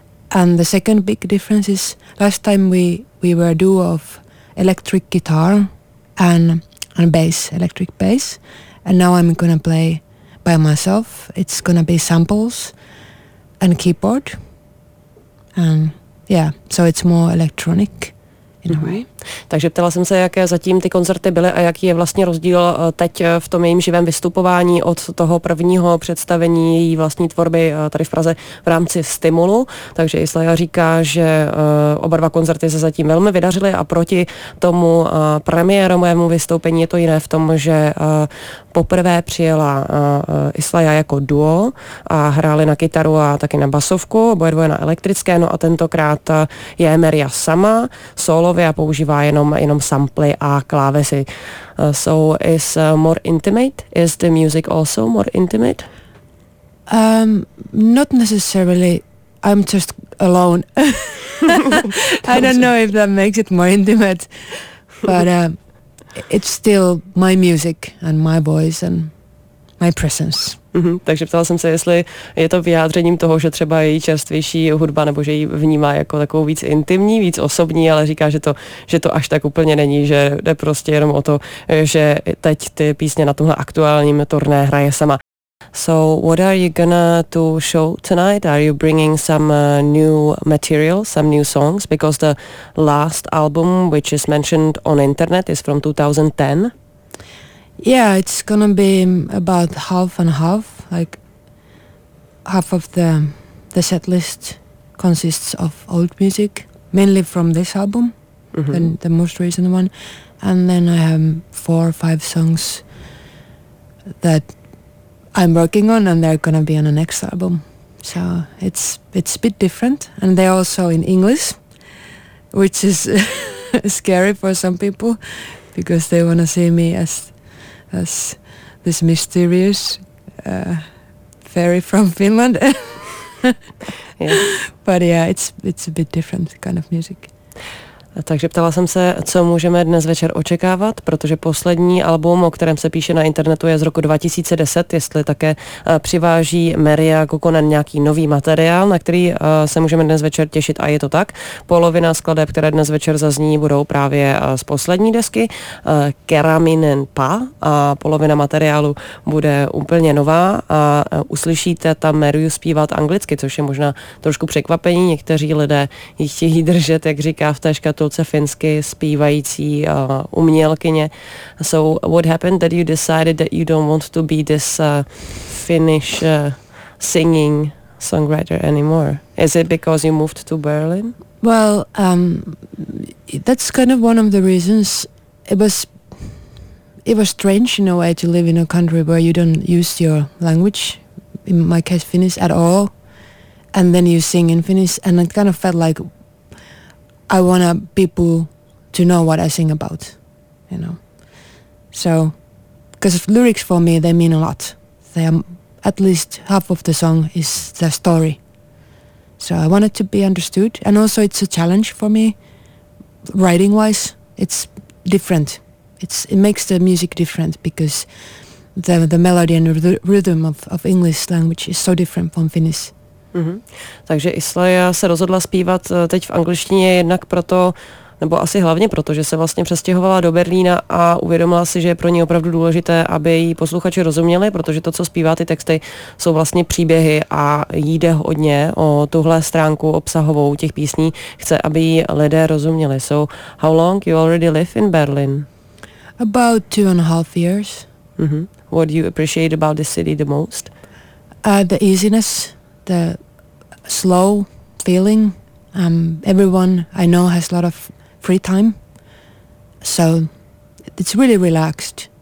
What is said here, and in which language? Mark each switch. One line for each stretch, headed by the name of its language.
English: And the second big difference is last time we were a duo of electric guitar and bass, electric bass. And now I'm gonna play by myself. It's gonna be samples and keyboard. And yeah, so it's more electronic in a way.
Czech: Takže ptala jsem se, jaké zatím ty koncerty byly a jaký je vlastně rozdíl teď v tom jejím živém vystupování od toho prvního představení její vlastní tvorby tady v Praze v rámci Stimulu. Takže Islaya říká, že oba dva koncerty se zatím velmi vydařily a proti tomu premiérovému vystoupení je to jiné v tom, že poprvé přijela Islaya jako duo a hráli na kytaru a taky na basovku, oba dvoje na elektrické, no a tentokrát je Merja sama, solově a používá jenom samply a klávesy.
English: So is more intimate? Is the music also more intimate? Not necessarily. I'm just alone. I don't know if that makes it more intimate, but it's still my music and my voice and my presence.
Czech: Takže ptala jsem se, jestli je to vyjádřením toho, že třeba její čerstvější hudba nebo že ji vnímá jako takovou víc intimní, víc osobní, ale říká, že to až tak úplně není, že jde prostě jenom o to, že teď ty písně na tomhle aktuálním turné hraje sama.
English: So what are you gonna to show tonight? Are you bringing some new material, some new songs? Because the last album, which is mentioned on internet, is from 2010. Yeah, it's gonna be about half and half, like half of the set list consists of old music, mainly from this album, and the most recent one, and then I have four or five songs that I'm working on and they're gonna be on the next album, so it's a bit different, and they're also in English, which is scary for some people because they want to see me as this mysterious fairy from Finland. But yeah, it's a bit different kind of music.
Czech: Takže ptala jsem se, co můžeme dnes večer očekávat, protože poslední album, o kterém se píše na internetu, je z roku 2010, jestli také přiváží Maria Kokonen nějaký nový materiál, na který se můžeme dnes večer těšit, a je to tak. Polovina skladeb, které dnes večer zazní, budou právě z poslední desky Keraminen Pa, a polovina materiálu bude úplně nová a uslyšíte tam Mariu zpívat anglicky, což je možná trošku překvapení. Někteří lidé ji chtějí držet, jak říká v té škatulce, finsky zpívající umělkyně.
English: So what happened that you decided that you don't want to be this Finnish singing songwriter anymore? Is it because you moved to Berlin? Well, that's kind of one of the reasons. It was strange in a way to live in a country where you don't use your language, in my case Finnish, at all, and then you sing in Finnish, and it kind of felt like I want people to know what I sing about, you know. So, because lyrics for me, they mean a lot. They are, at least half of the song is the story. So I want it to be understood. And also it's a challenge for me, writing-wise. It's different. It makes the music different because the melody and rhythm of English language is so different from Finnish. Mm-hmm.
Czech: Takže Islaya se rozhodla zpívat teď v angličtině jednak proto, nebo asi hlavně proto, že se vlastně přestěhovala do Berlína a uvědomila si, že je pro ní opravdu důležité, aby jí posluchači rozuměli, protože to, co zpívá ty texty, jsou vlastně příběhy a jde hodně o tuhle stránku obsahovou těch písní. Chce, aby jí lidé rozuměli.
English: So, how long you already live in Berlin? About 2.5 years. Mm-hmm. What do you appreciate about this city the most? The easiness. The slow feeling. Everyone I know has a lot of free time, so it's really relaxed.